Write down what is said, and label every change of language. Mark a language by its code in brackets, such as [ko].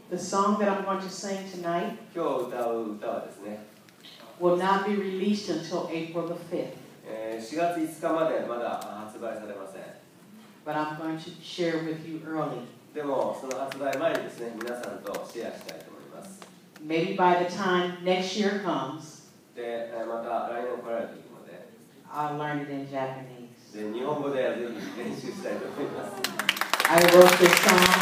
[en] The song that I'm going to sing tonight [ja] 今日歌う歌はですね, [en] will not be released until April the 5th. [ja] 4月5日までまだ発売されません. [en] But I'm going to share with you early. [ja] でもその発売前にですね、皆さんとシェアしたいと思います. [en] Maybe by the time next year comes, [ja] で、また来年来られる時まで, [en] I'll learn it in Japanese. [ja] で、日本語ではぜひ練習したいと思います. [en] I wrote this song.